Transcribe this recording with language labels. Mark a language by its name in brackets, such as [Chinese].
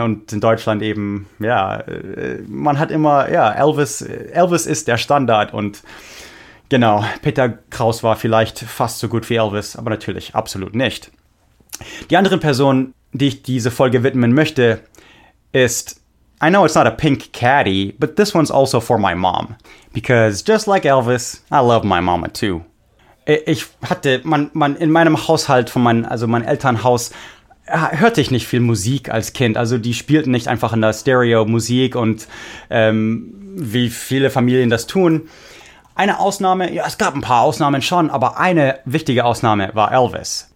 [German] Und in Deutschland eben, ja, man hat immer, ja, Elvis ist der Standard. Und genau, Peter Kraus war vielleicht fast so gut wie Elvis, aber natürlich absolut nicht. Die andere Person, die ich diese Folge widmen möchte, ist [English] I know it's not a pink caddy, but this one's also for my mom. Because just like Elvis, I love my mama too. [German] Ich hatte, man in meinem Haushalt, von mein, also mein Elternhaus, hörte ich nicht viel Musik als Kind. Also die spielten nicht einfach in der Stereo Musik und wie viele Familien das tun. Eine Ausnahme, ja, es gab ein paar Ausnahmen schon, aber eine wichtige Ausnahme war Elvis.